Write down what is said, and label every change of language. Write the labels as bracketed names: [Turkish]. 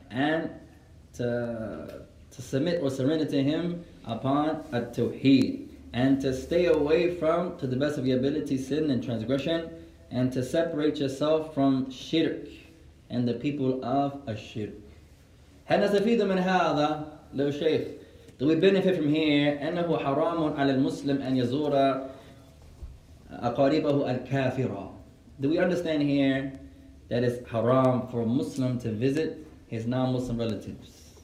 [English] And to submit or surrender to him upon at-tawheed. And to stay away from, to the best of your ability, sin and transgression. And to separate yourself from shirk and the people of ash-shirk. [Arabic] هل نستفيد من هذا? لو شيخ. [English] Do we benefit from here? [Arabic] أنه حرام على المسلم أن يزور أقاربه الكافرة. [English] Do we understand here that it's haram for a Muslim to visit his non-Muslim relatives?